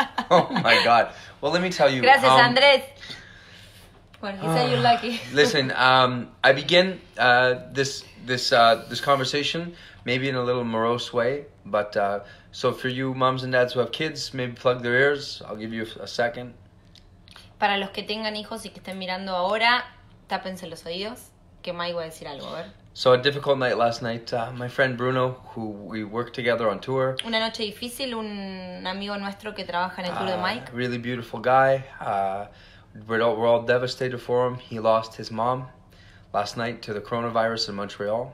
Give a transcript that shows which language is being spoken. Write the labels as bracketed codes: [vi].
[en] Oh my God. Well, let me tell you, [es] Gracias, Andrés. [en] Well, he said you're lucky. listen, I begin this conversation maybe in a little morose way, but so for you moms and dads who have kids, maybe plug their ears. I'll give you a second. [es] Para los que tengan hijos y que estén mirando ahora, tápense los oídos, que Mike va a decir algo, a ver. [en] So a difficult night last night. My friend Bruno, who we work together on tour, [es] Una noche difícil, un amigo nuestro que trabaja en el tour de Mike. [en] really beautiful guy. We're all devastated for him. He lost his mom last night to the coronavirus in Montreal.